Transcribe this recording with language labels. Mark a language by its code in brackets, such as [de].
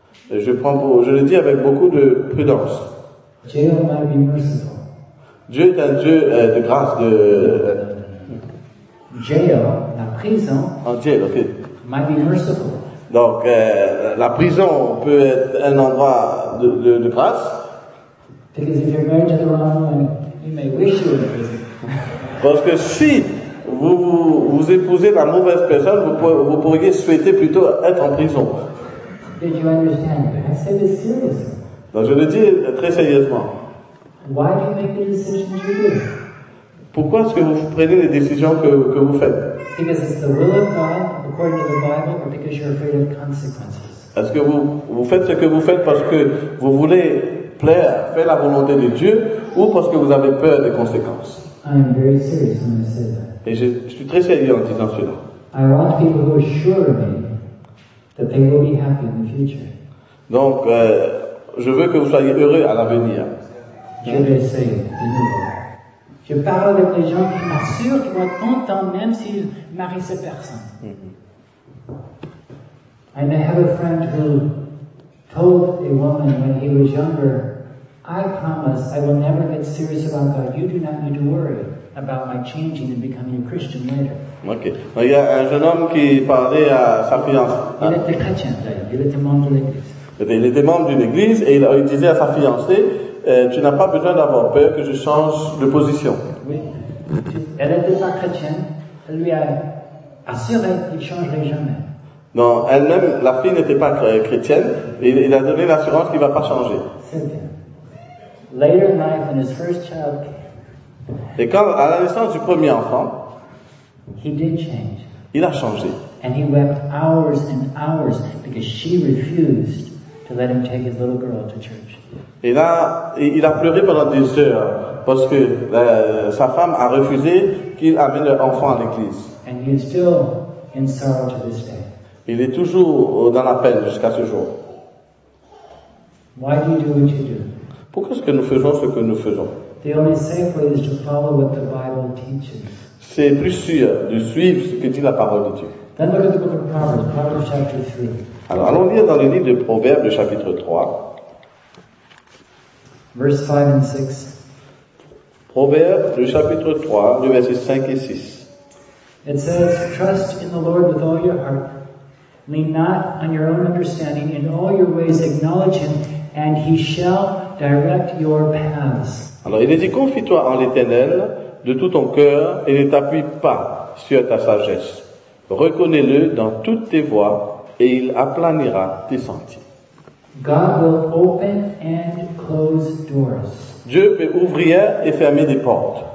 [fr] Je le dis avec beaucoup de prudence. Dieu est un Dieu de grâce, de... Jail, la prison. [en] Ah, jail, ok. Might be merciful. [fr] Donc, la prison peut être un endroit de grâce. [en] Because if you're married to the wrong one, you may wish you were in prison. [fr] Parce que si vous épousez la mauvaise personne, vous pourriez souhaiter plutôt être en prison. [en] Did you understand? I said this seriously. [fr] Donc, je le dis très sérieusement. [en] Why do you make the decisions you do? [fr] Pourquoi est-ce que vous prenez les décisions que vous faites? [en] Because it's the will of God according to the Bible, or because you're afraid of consequences? [fr] Est-ce que vous faites ce que vous faites parce que vous voulez plaire, faire la volonté de Dieu, ou parce que vous avez peur des conséquences? [en] I'm very serious when I say that. [fr] Et je suis très sérieux en disant cela. [en] I want people who assure me that they will be happy in the future. [fr] Donc, je veux que vous soyez heureux à l'avenir. Je vais essayer de nouveau. Je parle avec des gens qui m'assurent qu'ils vont être contents même s'ils marient cette personne. [en] And I have a friend who told a woman when he was younger, I promise I will never get serious about God. You do not need to worry about my changing and becoming a Christian later. Okay. [fr] Il y a un jeune homme qui parlait à sa fiancée. Il était chrétien, d'ailleurs. Il était membre de l'église. Il était membre d'une église et il disait à sa fiancée, tu n'as pas besoin d'avoir peur que je change de position. Oui. Elle était pas chrétienne. Elle lui a assuré qu'il ne changerait jamais. Non, elle-même, la fille n'était pas chrétienne, et il a donné l'assurance qu'il ne va pas changer. [en] Later in life, when his first child came, [fr] et quand, à la naissance du premier enfant, [en] he did change. [fr] Il a changé. [en] And he wept hours and hours because she refused to let him take his little girl to church. [fr] Et là, il a pleuré pendant 10 heures parce que sa femme a refusé qu'il amène leur enfant à l'église. [en] And he is still in sorrow to this day. [fr] Il est toujours dans la peine jusqu'à ce jour. [en] Why do you do what you do? [fr] Pourquoi est-ce que nous faisons ce que nous faisons? [en] The only safe way is to follow what the Bible teaches. [fr] C'est plus sûr de suivre ce que dit la parole de Dieu. [en] Then look at the book of Proverbs, Proverbs chapter 3. [fr] Alors allons lire dans le livre de Proverbes, le chapitre 3. [en] Verse 5 and 6. [fr] Proverbes, le chapitre 3, le verset 5 et 6. [en] It says, trust in the Lord with all your heart. Lean not on your own understanding. In all your ways acknowledge him, and he shall direct your paths. [fr] Alors il dit, confie-toi en l'Éternel de tout ton cœur et ne t'appuie pas sur ta sagesse. Reconnais-le dans toutes tes voies et il aplanira tes sentiers. [en] God will open and close doors. [fr] Dieu peut ouvrir et fermer des portes.